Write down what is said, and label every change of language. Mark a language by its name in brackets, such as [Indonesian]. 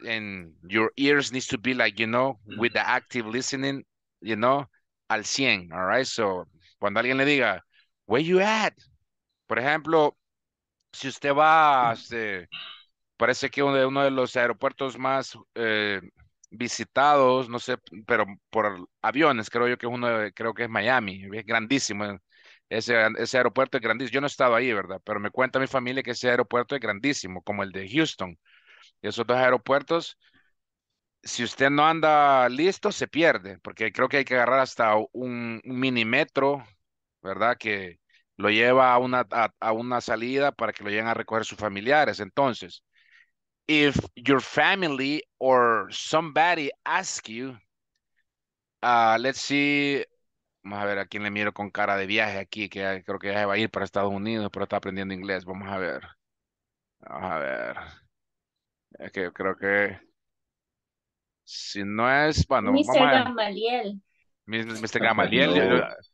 [English] And your ears needs to be like, you know, with the active listening, you know, [Spanish] al 100, [English] all right? [Spanish] So, cuando alguien le diga, [English] where you at? [Spanish] Por ejemplo, si usted va, parece que uno de los aeropuertos más visitados, no sé, pero por aviones, creo yo que es uno, creo que es Miami, es grandísimo. Ese aeropuerto es grandísimo. Yo no he estado ahí, ¿verdad? Pero me cuenta mi familia que ese aeropuerto es grandísimo, como el de Houston. Y esos dos aeropuertos, si usted no anda listo, se pierde. Porque creo que hay que agarrar hasta un mini metro, ¿verdad? Que lo lleva a una salida para que lo lleguen a recoger sus familiares. [English] Entonces, if your family or somebody asks you, let's see... [Spanish] Vamos a ver a quién le miro con cara de viaje aquí, que creo que ya se va a ir para Estados Unidos, pero está aprendiendo inglés. Vamos a ver. Vamos a ver. Es que yo creo que... Si no es... Bueno, [English] Mr. [Spanish] Vamos a ver. Gamaliel. Mr. Gamaliel. No.